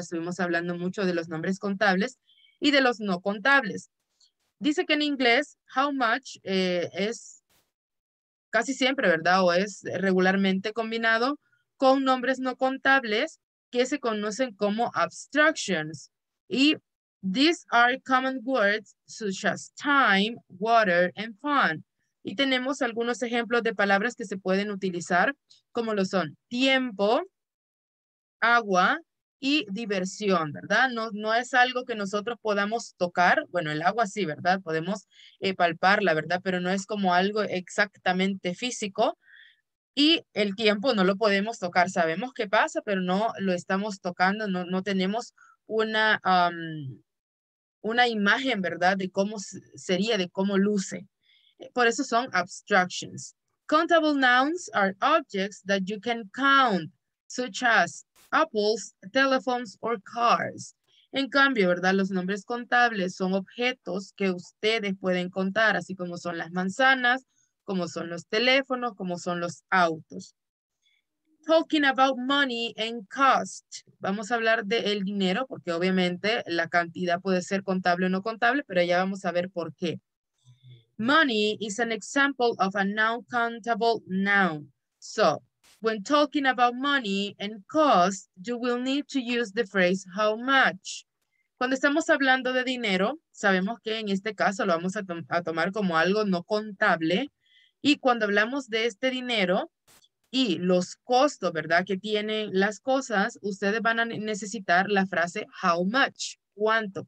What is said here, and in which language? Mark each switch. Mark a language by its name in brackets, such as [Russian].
[Spanish] Estuvimos hablando mucho de los nombres contables y de los no contables. Dice que en inglés, how much es casi siempre, ¿verdad? O es regularmente combinado con nombres no contables que se conocen como abstractions. [English] Y these are common words such as time, water, and fun. [Spanish] Y tenemos algunos ejemplos de palabras que se pueden utilizar, como lo son tiempo, agua, y diversión, ¿verdad? No es algo que nosotros podamos tocar. Bueno, el agua sí, ¿verdad? Podemos palparla, ¿verdad? Pero no es como algo exactamente físico. Y el tiempo no lo podemos tocar. Sabemos qué pasa, pero no lo estamos tocando. No tenemos una imagen, ¿verdad? De cómo sería, de cómo luce. Por eso son abstractions. [English] Countable nouns are objects that you can count, such as apples, telephones, or cars. [Spanish] En cambio, ¿verdad? Los nombres contables son objetos que ustedes pueden contar, así como son las manzanas, como son los teléfonos, como son los autos. [English] Talking about money and cost. [Spanish] Vamos a hablar del dinero, porque obviamente la cantidad puede ser contable o no contable, pero ya vamos a ver por qué. [English] Money is an example of a non-countable noun. So, when talking about money and cost, you will need to use the phrase how much. [Spanish] Cuando estamos hablando de dinero, sabemos que en este caso lo vamos a tomar como algo no contable. Y cuando hablamos de este dinero y los costos, ¿verdad?, que tienen las cosas, ustedes van a necesitar la frase how much, cuánto.